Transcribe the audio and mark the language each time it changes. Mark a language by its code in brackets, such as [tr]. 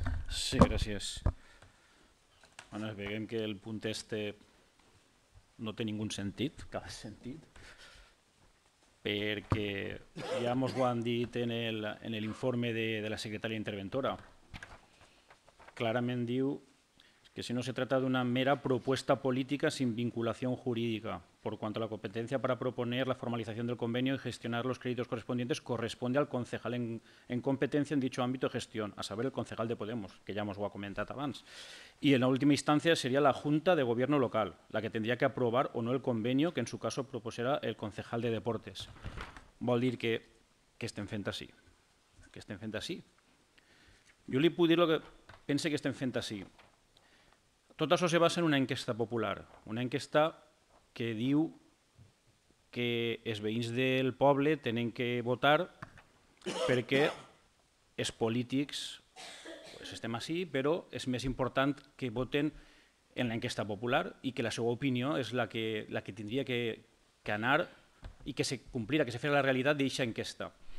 [ca] Sí, gràcies. Bueno, veiem que el punt este no té ningú sentit, cap sentit, perquè ja ens ho han dit en el informe de la secretària interventora. Clarament diu [es] que si no se trata de una mera propuesta política sin vinculación jurídica, por cuanto a la competencia para proponer la formalización del convenio y gestionar los créditos correspondientes, corresponde al concejal en competencia en dicho ámbito de gestión, a saber, el concejal de Podemos, que ya hemos comentado antes. Y en la última instancia sería la Junta de Gobierno Local, la que tendría que aprobar o no el convenio que en su caso propusiera el concejal de Deportes. [ca] Vol dir que estén fent así. Que estén fent así. [es] Yo le puedo decir lo que [ca] pense que estén fent [es] así. [ca] Tot això se basa en una enquesta popular, una enquesta que diu que els veïns del poble tenen que votar perquè els polítics pues estem així, però és més important que voten en l'enquesta popular i que la seva opinió és la que tindria que anar i que se complirà, que se fes la realitat d'aquesta enquesta.